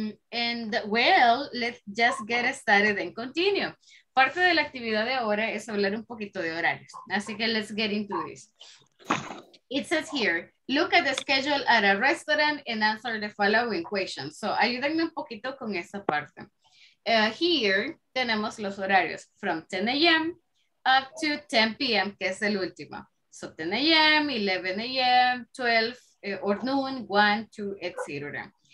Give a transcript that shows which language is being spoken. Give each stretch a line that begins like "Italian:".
English: And well, let's just get started and continue.
Spanish: Parte de la actividad de ahora es hablar un poquito de horarios. Así que
English: let's get into this. It says here, look at the schedule at a restaurant and answer the following questions.
Spanish: So, ayúdenme un poquito con esa parte. Here, tenemos los horarios
English: from 10 a.m. up to 10 p.m.,
Spanish: que es el último.
English: So, 10 a.m., 11 a.m., 12, or noon, 1, 2, etc.